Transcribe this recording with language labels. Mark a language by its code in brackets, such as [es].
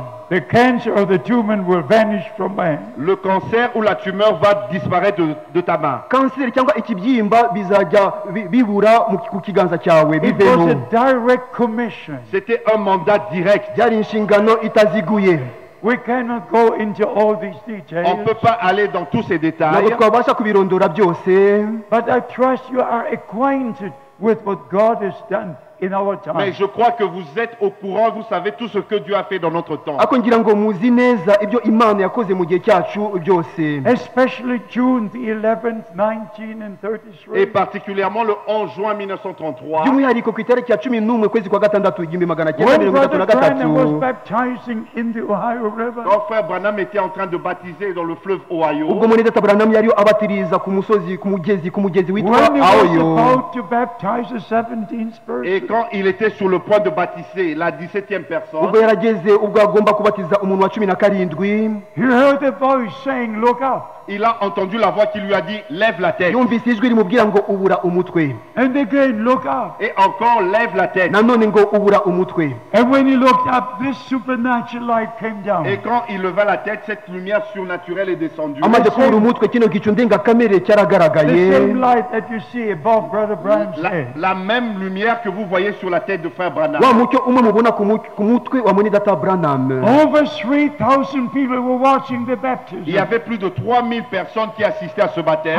[en] The cancer or the tumor will vanish from my hand. [fr] Le cancer ou la tumeur va disparaître de ta main. [rw] Cancer cyangwa ikibyimba bizajya bibura mu kiganza cyawe bibeho. [en] It was a direct commission. [fr] C'était un mandat direct. [rw] Yari inshingano itaziguye. [en] We cannot go into all these details. [fr] On peut pas aller dans tous ces détails. [rw] Nabwo twabasha kubirondora byose. [en] But I trust you are acquainted with what God has done. In our time. [fr] Mais je crois que vous êtes au courant, vous savez tout ce que Dieu a fait dans notre temps. [en] Especially June 11th, 1933. [fr] Et particulièrement le 11 juin 1933. [en] When Brother Branham was baptizing in the Ohio River. [fr] Quand Frère Branham était en train de baptiser dans le fleuve Ohio. [en] When he was about to baptize a 17th person. [fr] Il était sur le point de baptiser la 17e personne. [en] He heard a voice saying, "Look up." [fr] Il a entendu la voix qui lui a dit, "Lève la tête." [en] And again, "Look up." [fr] Et encore, "Lève la tête." [en] And when he looked up, this supernatural light came down. [fr] Et quand il leva la tête, cette lumière surnaturelle est descendue. [en] The same light that you see above Brother Branham's head. [fr] La même lumière que vous voyez sur la tête de Frère Branham. [en] Over 3,000 people were watching the baptism. [fr] Il y avait plus de 3,000 personnes qui assistaient à ce baptême.